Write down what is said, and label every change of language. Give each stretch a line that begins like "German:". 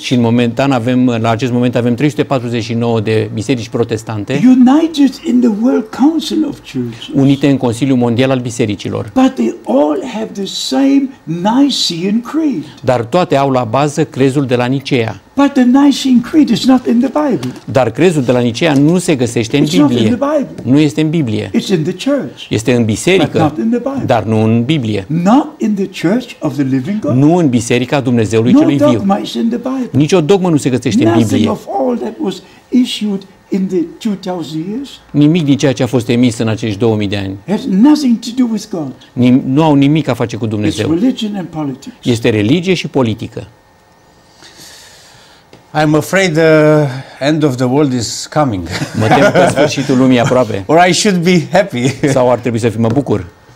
Romanian: Și în momentan avem, la acest moment avem 349 de biserici protestante.
English: United in the World Council of Churches.
Romanian: Unite în Consiliul Mondial al Bisericilor.
English: But they all have the same Nicene Creed.
Romanian: Dar toate au la bază crezul de la Nicea.
English: But the Nicene Creed is not in the Bible.
Romanian: Dar crezul de la Nicea nu se găsește în Biblie.
English: It's not in the Bible.
Romanian: Nu este în Biblie.
English: It's in the church.
Romanian: Este în biserică,
English: but not in the Bible.
Romanian: Dar nu în Biblie.
English: Not in the church of the living God.
Romanian: Nu în biserica Dumnezeului
English: no
Romanian: celui viu.
English: Dogma is in the Bible.
Romanian: Nici o dogmă nu se găsește
English: nothing
Romanian: în Biblie.
English: Of all that was issued in the 2000 years.
Romanian: Nimic din ceea ce a fost emis în acești 2000 de ani.
English: Has nothing to do with God.
Romanian: Nu au nimic a face cu Dumnezeu.
English: It's religion and politics.
Romanian: Este religie și politică.
English: I'm afraid the end of the world is coming.
Romanian: Mă tem că sfârșitul lumii aproape.
English: Or I should be happy.
Romanian: Sau ar trebui să fiu mă bucur.